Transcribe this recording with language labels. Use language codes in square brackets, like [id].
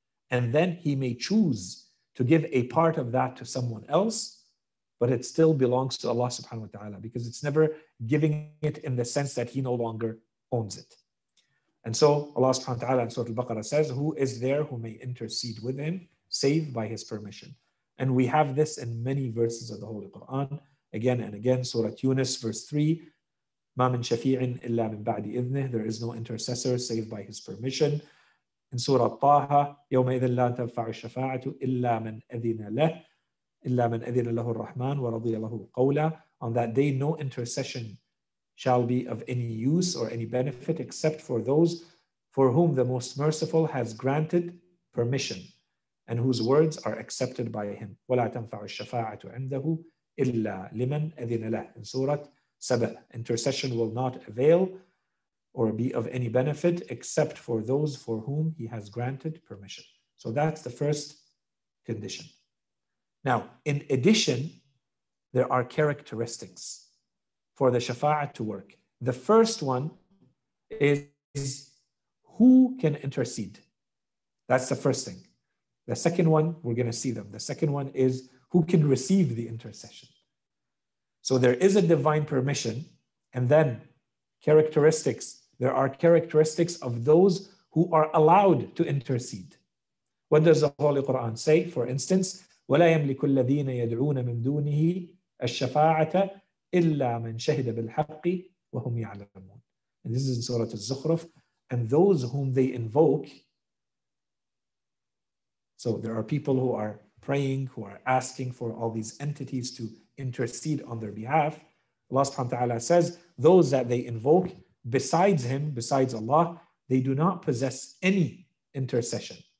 [en] And then he may choose to give a part of that to someone else, but it still belongs to Allah subhanahu wa ta'ala, because it's never giving it in the sense that he no longer owns it. And so Allah subhanahu wa ta'ala in Surah Al-Baqarah says, who is there who may intercede with him, save by his permission? And we have this in many verses of the Holy Quran, again and again. Surah Yunus, verse 3, [ar] مَا مِنْ شَفِيعٍ إِلَّا مِنْ بَعْدِ إِذْنِهِ. [en] There is no intercessor save by his permission. In Surah Taha, [ar] يَوْمَئِذٍ لَا تَنْفَعُ الشَّفَاعَةُ إِلَّا مَنْ أَذِنَ لَهُ إِلَّا مَنْ أَذِنَ لَهُ الرَّحْمَنُ وَرَضِيَ لَهُ قَوْلًا. [en] On that day, no intercession shall be of any use or any benefit except for those for whom the Most Merciful has granted permission and whose words are accepted by him. [ar] وَلَا تَنْفَعُ الشَّفَاعَةُ عِنْدَهُ إِلَّا لِمَنْ أَذِنَ لَهُ. [en] In Surah Sabah, intercession will not avail or be of any benefit except for those for whom he has granted permission. So that's the first condition. Now, in addition, there are characteristics for the shafa'at to work. The first one is who can intercede. That's the first thing. The second one, we're going to see them. The second one is who can receive the intercession. So there is a divine permission, and then characteristics. There are characteristics of those who are allowed to intercede. What does the Holy Quran say? For instance, [ar] وَلَا يَمْلِكُ الَّذِينَ يَدْعُونَ مِنْ دُونِهِ الشَّفَاعَةَ إِلَّا مَنْ شَهِدَ بِالْحَقِّ وَهُمْ يَعْلَمُونَ. [en] And this is in Surah Al-Zukhruf. And those whom they invoke, so there are people who are praying, who are asking for all these entities to intercede on their behalf. Allah subhanahu wa ta'ala says, those that they invoke besides him, besides Allah, they do not possess any intercession.